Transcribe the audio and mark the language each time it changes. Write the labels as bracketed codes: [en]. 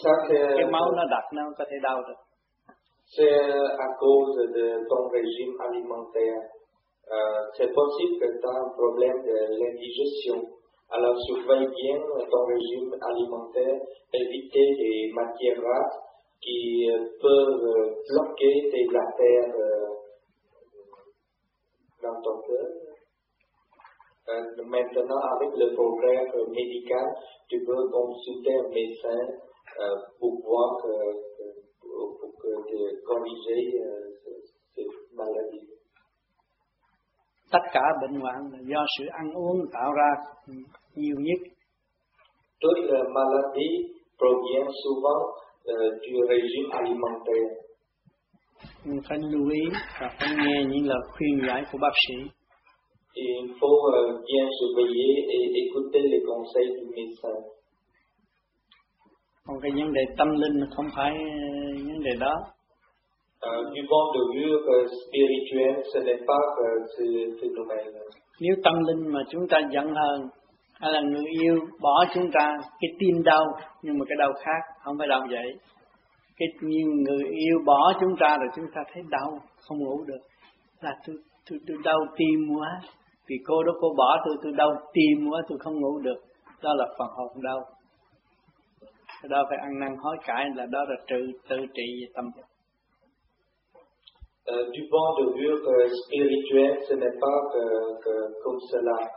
[vi] Cái máu nó đặc nó có thể đau được. [fr] C'est à cause de ton régime alimentaire. C'est possible que tu as un problème de l'indigestion. Alors surveille bien ton régime alimentaire, éviter les matières grasses qui peuvent bloquer tes artères dans ton cœur. Maintenant, avec le progrès médical, tu peux consulter un médecin pour voir pour que tu corriges cette maladie. [vi] Tất cả bệnh hoạn là do sự ăn uống tạo ra nhiều nhất. [fr] Toutes les maladies proviennent souvent du régime alimentaire. [vi] Phải lưu ý và phải nghe những lời khuyên giải của bác sĩ. [fr] Il faut bien surveiller et écouter les conseils du médecin. [vi] Còn cái vấn đề tâm linh không phải vấn đề đó. [fr] Du point de vue spirituel, ce n'est pas ce phénomène. [vi] Nếu tâm linh mà chúng ta giận hờn, hay là người yêu bỏ chúng ta, cái tim đau, nhưng mà cái đau khác, không phải đau vậy. Cái người yêu bỏ chúng ta rồi chúng ta thấy đau, không ngủ được. Là tôi đau tim quá, vì cô đó cô bỏ tôi đau tim quá, tôi không ngủ được. Đó là phần hồn đau. Đó phải ăn năn hối cải, là đó là tự trị tâm. [fr] Du point de vue spirituel, ce n'est pas comme cela.